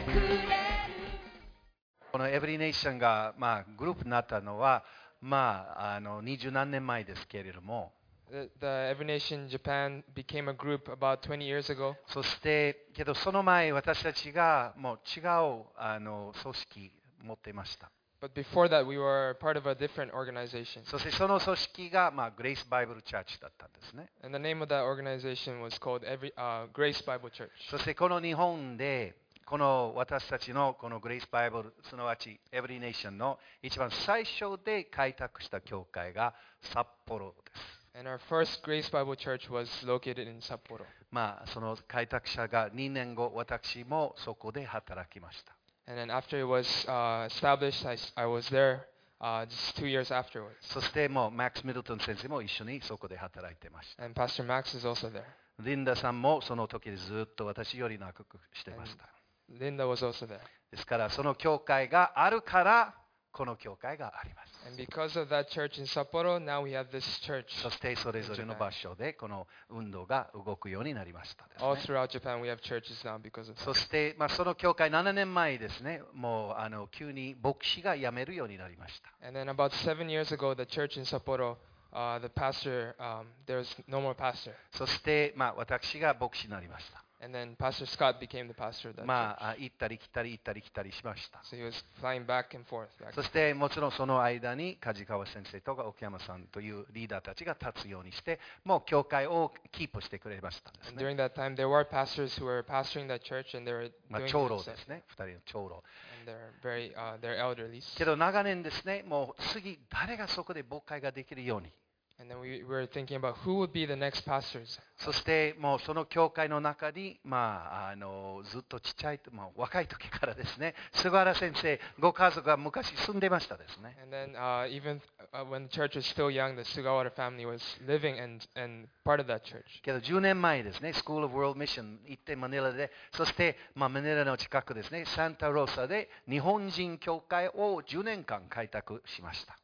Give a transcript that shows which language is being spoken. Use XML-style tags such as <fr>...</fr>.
<ja>エブリネーションが、まあ、グループになったのは、まあ、20何年前ですけれども。</ja> <en>The Every Nation Japan became a group about 20 years ago.</en> <ja>そして、けどその前、私たちがもう違う組織を持っていました。</ja> <en>But before that, we were part of a different organization.</en> <ja>そしてその組織が、まあ、Grace Bible Church だったんですね。</ja> <en>And the name of that organization was called Grace Bible Church.</en> <ja>そしてこの日本で、この私たちのこの Grace Bible、すなわち Every Nation の一番最初で開拓した教会が札幌です。</ja> <en>And our first Grace Bible Church was located in Sapporo.</en> <ja>まあその開拓者が2年後、私もそこで働きました。</ja> <en>And then after it was established, I was there just 2 years afterwards.</en> <ja>そしてもうマックス・ミドルトン先生も一緒にそこで働いてました。</ja> <en>And Pastor Max is also there.</en> <ja>リンダさんもその時でずっと私より長くしてました。</ja> <en>And Linda was also there.</en> <ja>ですからその教会があるから、この教会があります。</ja> <en>And because of that church in Sapporo, now we have this church.</en> <ja>そしてそれぞれの場所でこの運動が動くようになりましたですね。</ja> <en>All throughout Japan, we have churches now because of that.</en> <ja>そして、まあ、その教会7年前ですね、もう急に牧師が辞めるようになりました。</ja> <en>And then about 7 years ago, the church in Sapporo, the pastor, there was no more pastor.</en> <ja>そして、まあ、私が牧師になりました。</ja> <en>And then Pastor Scott became the pastor of that church.</en> <ja>まあ行ったり来たり行ったり来たりしました。</ja> <en>So he was flying back and forth.</en> <ja>そしてもちろんその間に梶川先生とか奥山さんというリーダーたちが立つようにして、もう教会をキープしてくれましたですね。</ja> <en>And during that time, there were pastors who were pastoring that church, and they were doing</en> <ja>まあ長老ですね、二人の長老。</ja> <en>And they're very, they're elderly.</en> <ja>けど長年ですね、もう次誰がそこで牧会ができるように。</ja> <en>And then we were thinking about who would be the next pastors.</en> <ja>そしてもうその教会の中に、まあ、ずっとちっちゃい、まあ、若い時からですね、菅原先生、ご家族が昔住んでましたですね。</ja> <en>And then, even when the church was still young, the Sugawara family was living and part of that church.</en> <ja>けど10年前ですね、School of World Mission 行ってマニラで、そして、まあ、マニラの近くですね、サンタローサで日本人教会を10年間開拓しました。</ja>